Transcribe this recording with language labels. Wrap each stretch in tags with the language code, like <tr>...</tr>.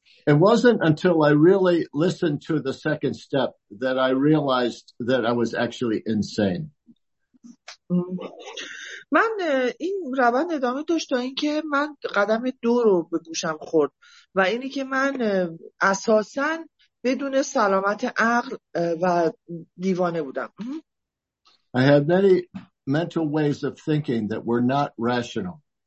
<en>It wasn't until I really listened to the second step that I realized that I was actually insane.</en> <fa>من این روند ادامه داشت تا اینکه من قدم دو رو به گوشم خورد و اینی که من اساساً بدون سلامت عقل و دیوانه بودم.</fa> <en>I had many mental ways of thinking that were not rational.</en>